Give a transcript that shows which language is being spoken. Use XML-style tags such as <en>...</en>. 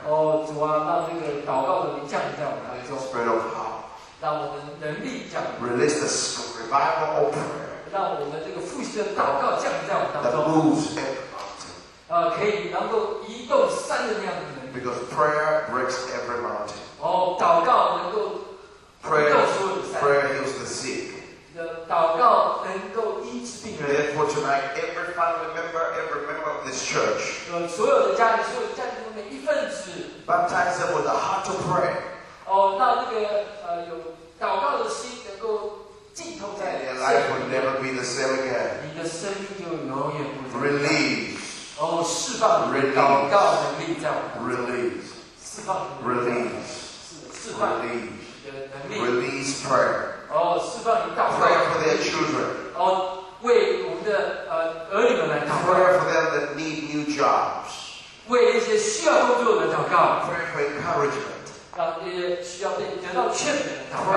<zh>哦，主啊，让这个祷告的灵降临在我们当中。</zh> <en>Spirit of power.</en> <zh>让我们能力降临。</zh> <en>Release the revival of prayer.</en> <zh>让我们这个复兴的祷告降临在我们当中。</zh> <en>That moves every mountain.</en> <zh>可以能够移动山的那样的能力。</zh> <en>Because prayer breaks every mountain.</en> <zh>哦，祷告能够。</zh> <en>Prayer heals the sick.</en> <zh>祷告能够医治病人。</zh> <en>Therefore tonight, every family member, every member of this church,</en> <zh>所有的家里，所有家里的每一份子</zh> <en>baptize them with a heart to pray.</en> <zh>哦，那那个有祷告的心能够浸透在。</zh> <en>Their life will never be the same again.</en> <zh>你的生命就永远不。</zh> <en>Release.</en> <zh>哦，释放。</zh> <en>Release.</en> <zh>祷告能力在。</zh> <en>Release.</en> <zh>释放。</zh> <en>Release.</en> <zh>释放。</zh> <en>Release.</en> <zh>能力。</zh> <en>Release prayer.</en> <zh>哦，释放你祷告。</zh> <en>Pray for their children。</en> <zh>哦，为我们的儿女们来祷告。</zh> <en>Pray for them that need new jobs。</en> <zh>为一些需要工作的祷告。</zh> <en>Pray for encouragement。</en> <zh>让那些需要被得到劝勉的祷告。</zh>